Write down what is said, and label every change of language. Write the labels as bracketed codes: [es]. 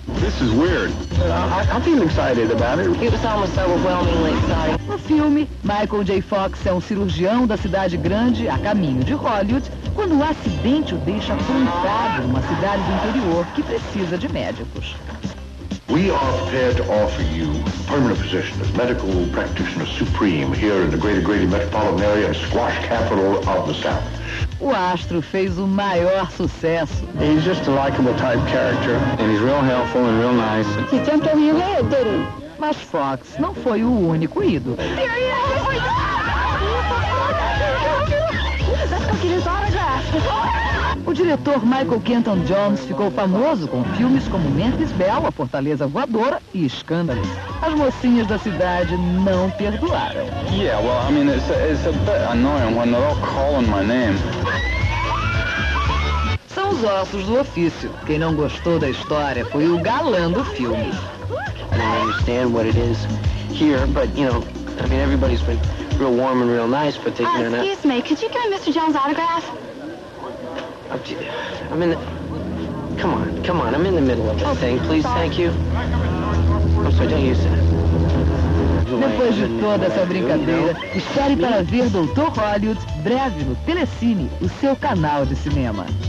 [en] This is weird. I'm feeling excited about it. It was almost overwhelmingly exciting. [pt] No filme, Michael J. Fox é um cirurgião da cidade grande a caminho de Hollywood quando um acidente o deixa plantado numa cidade do interior que precisa de médicos. [en] We are prepared to offer you a permanent position as medical practitioner supreme here in the greater, greater metropolitan area and squash capital of the South. [pt] O astro fez o maior sucesso. [en] He's just a likable type character. And he's real helpful and real nice. He jumped over your head, did he? [pt] Mas Fox não foi o único ídolo. [en] There he is! Let's go get his autograph. [pt] O diretor Michael Kenton Jones ficou famoso com filmes como Memphis Belle, A Fortaleza Voadora e Escândalo. As mocinhas da cidade não perdoaram. [en] Yeah, well, I mean, it's a bit annoying when they're all calling my name. [pt] São os ossos do ofício. Quem não gostou da história foi o galã do filme. [en] I understand what it is here, but, you know, I mean, everybody's been real warm and real nice, but they're not... Excuse me, could you give Mr. Jones' autograph? I'm in the... Come on, come on, I'm in the middle of this thing. Please, thank you. I'm sorry, don't use that. [pt] Depois de toda essa brincadeira, espere para ver Dr. Hollywood breve no Telecine, o seu canal de cinema.